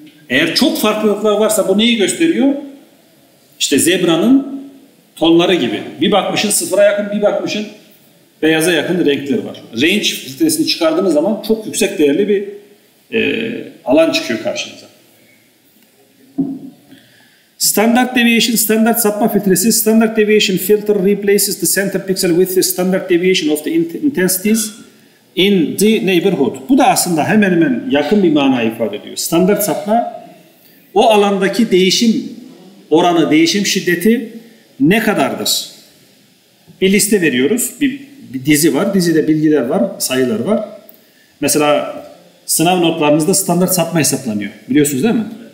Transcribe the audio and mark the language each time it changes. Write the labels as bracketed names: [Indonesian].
[Turkish] Eğer çok farklılıklar varsa bu neyi gösteriyor? İşte zebranın tonları gibi. Bir bakmışın sıfıra yakın, bir bakmışın beyaza yakın renkleri var. Range filtresini çıkardığınız zaman çok yüksek değerli bir alan çıkıyor karşınıza. Standard deviation, standard sapma filtresi. [English] Standard deviation filter replaces the center pixel with the standard deviation of the intensities in the neighborhood. [Turkish] Bu da aslında hemen hemen yakın bir mana ifade ediyor. Standart sapma, o alandaki değişim oranı, değişim şiddeti ne kadardır? Bir liste veriyoruz. Bir dizi var. Dizide bilgiler var, sayılar var. Mesela sınav notlarınızda standart sapma hesaplanıyor. Biliyorsunuz değil mi?